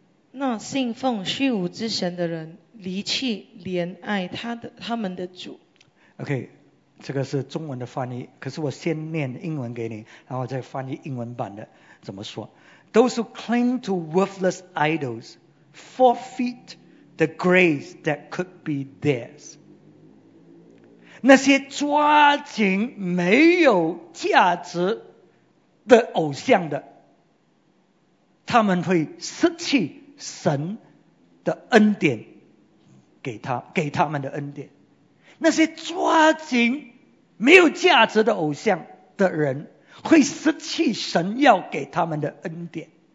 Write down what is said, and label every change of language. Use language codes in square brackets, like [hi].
[zh] 那信奉虚无之神的人离弃怜爱 他们的主。 OK，这个是中文的翻译，可是我先念英文给你，然后再翻译英文版的怎么说。 [en] Those who cling to worthless idols forfeit the grace that could be theirs. [zh] 那些抓紧没有价值的偶像的，他们会失去神的恩典，给他们的恩典。那些抓紧没有价值的偶像的人会失去神要给他们的恩典。